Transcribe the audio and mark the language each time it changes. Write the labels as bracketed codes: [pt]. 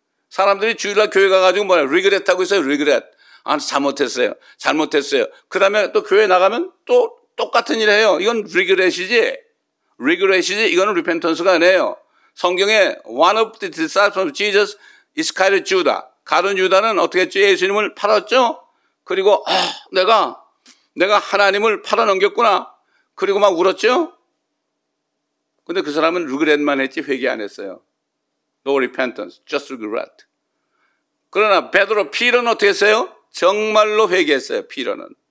[ko] 사람들이 주일날 교회 가가지고 뭐야? regret 하고 있어요. regret. 아, 잘못했어요. 잘못했어요. 그 다음에 또 교회 나가면 또 똑같은 일을 해요. 이건 regret이지. regret이지. 이거는 repentance가 아니에요. 성경에 [en] one of the disciples of Jesus is Iscariot Judah. [ko] 가룟 유다는 어떻게 했죠? 예수님을 팔았죠? 그리고, 아, 내가 하나님을 팔아넘겼구나. 그리고 막 울었죠? 근데 그 사람은 regret만 했지, 회개 안 했어요. [en] No repentance, just regret. [ko] 그러나, 베드로, 피로는 어떻게 했어요? 정말로 회개했어요, 피로는.